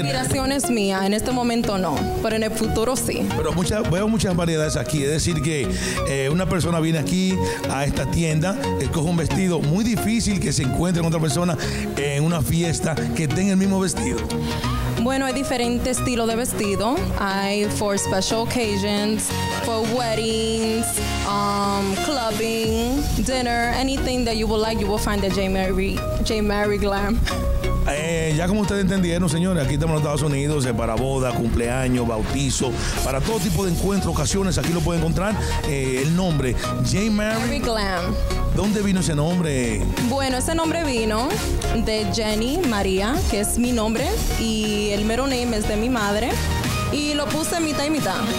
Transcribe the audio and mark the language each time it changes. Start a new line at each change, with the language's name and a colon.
Spanish: Inspiraciones mías, en este momento no, pero en el futuro sí. Pero veo muchas variedades aquí, es decir que una persona viene aquí a esta tienda, escoge un vestido muy difícil que se encuentre con otra persona en una fiesta que tenga el mismo vestido. Bueno, hay diferentes estilos de vestido.
English: Hay for special occasions, for weddings, clubbing, dinner, anything that you would like, you will find the J. Mary Glam.
Spanish: Ya como ustedes entendieron, señores, aquí estamos en Estados Unidos, para boda, cumpleaños, bautizo, para todo tipo de encuentros, ocasiones, aquí lo pueden encontrar. El nombre, J. Mary Glam. ¿Dónde vino ese nombre? Bueno, ese nombre vino de Jenny María, que es mi nombre, y el mero name es de mi madre, y lo puse mitad y mitad.